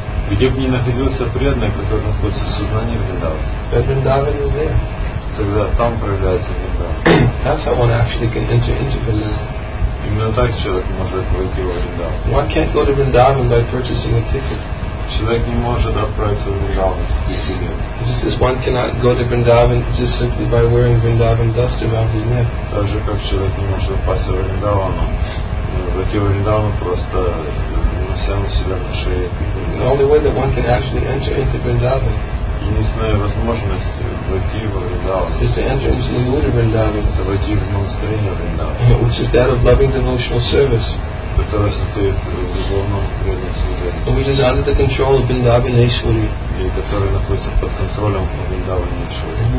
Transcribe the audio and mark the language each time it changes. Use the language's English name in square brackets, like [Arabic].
[Russian] Где бы ни находился преданный, который находится в сознании Вриндава. [English] Vrindavan is there. [Russian] Тогда там проявляется Вриндаван. [English] That's how one actually can enter into Vrindavan. [Russian] Именно так человек может войти в Вриндаван. [English] One can't go to Vrindavan by purchasing a ticket. [Russian] Человек не может отправиться в Вриндаван. [English] Just as one cannot go to Vrindavan just simply by wearing Vrindavan dust around his neck. [Russian] Так же как человек не может попасть в Вриндаван, войти в Вриндаван просто нося на себя на шее. [English] The only way that one can actually enter into Vrindavan. [Russian] Единственная возможность войти в Вриндаван. [English] Is to enter into the mood of Vrindavan. [Russian] Это войти в настроение Вриндавана. [English] Which is that of loving devotional service. [Russian] Которая состоит в любовном служении. [English] Which is under the control of Vrindavan Aishwarya. [Russian] И которая находится под контролем Вриндавана Aishwarya.